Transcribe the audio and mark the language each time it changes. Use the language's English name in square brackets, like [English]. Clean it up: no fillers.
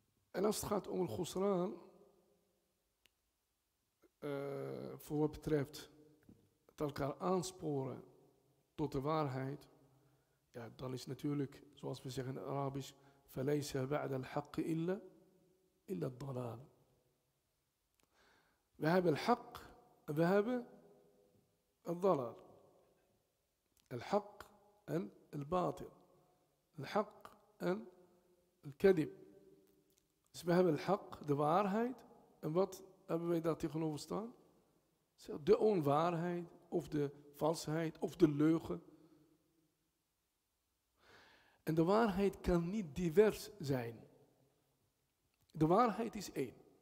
[Dutch] En als het gaat om al-Ghusran, voor wat betreft het elkaar aansporen tot de waarheid, ja, dan is natuurlijk, zoals we zeggen in het Arabisch, [Arabic] فَلَيْسَ بَعْدَ الْحَقِّ إِلَّا الضَّلَالِ. [Dutch] We hebben الحق, we hebben الضلال. [Arabic] الحق [Dutch] en [Arabic] الباطل. الحق en الكذب. [Dutch] Dus we hebben الحق, de waarheid. En wat hebben wij daar tegenover staan? De onwaarheid, of de valsheid, of de leugen. En de waarheid kan niet divers zijn. De waarheid is één.